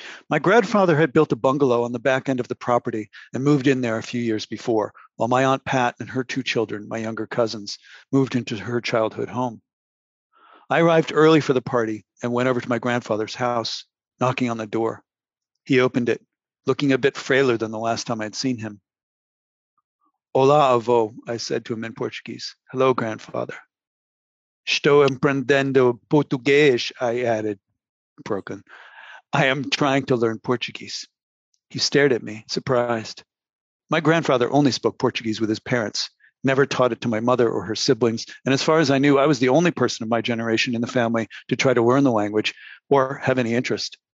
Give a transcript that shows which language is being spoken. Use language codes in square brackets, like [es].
[en] My grandfather had built a bungalow on the back end of the property and moved in there a few years before, while my Aunt Pat and her two children, my younger cousins, moved into her childhood home. I arrived early for the party and went over to my grandfather's house, knocking on the door. He opened it, looking a bit frailer than the last time I'd seen him. [pt] Olá, avô, [en] I said to him in Portuguese. Hello, grandfather. [pt] Estou aprendendo português, [en] I added, broken. I am trying to learn Portuguese. He stared at me, surprised. My grandfather only spoke Portuguese with his parents, never taught it to my mother or her siblings, and as far as I knew, I was the only person of my generation in the family to try to learn the language or have any interest.